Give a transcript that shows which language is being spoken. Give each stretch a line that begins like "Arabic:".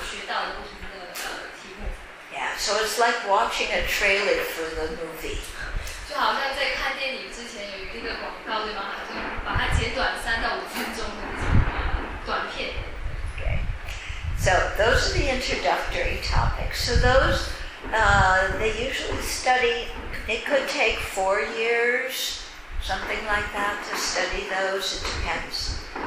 Chinese: 所以在这个学科的七十义的这个学科中，就是总结还是略说他们将来要学比较深入的学现光庄严论会所学到的不同的题目。Yeah,
English: so it's like watching a trailer for the movie.
Chinese: 就好像在看电影之前有一个广告，对吗？好像把它剪短3到5分钟的短片。
English: So those are the introductory topics. So those, they usually study, it could take 4 years, something like that, to study those, it depends.